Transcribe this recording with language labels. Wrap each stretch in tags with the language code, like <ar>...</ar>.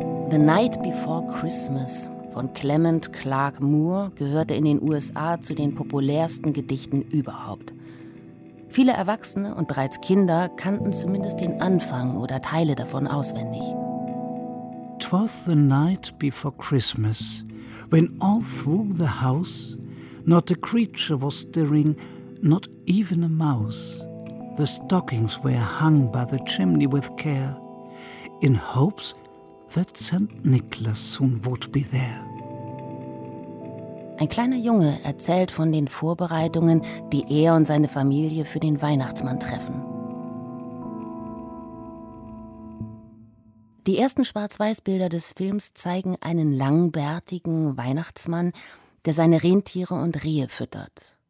<de>The Night Before Christmas von Clement Clark Moore gehörte in den USA zu den populärsten Gedichten überhaupt. Viele Erwachsene und bereits Kinder kannten zumindest den Anfang oder Teile davon auswendig.</de> <en>was the night before Christmas, when all through the house not a creature was stirring, not even a mouse. The stockings were hung by the chimney with care, in hopes that St. Nicholas soon would be there.</en> <de>Ein kleiner Junge erzählt von den Vorbereitungen, die er und seine Familie für den Weihnachtsmann treffen. Die ersten Schwarz-Weiß-Bilder des Films zeigen einen langbärtigen Weihnachtsmann, der seine Rentiere und Rehe füttert.</de>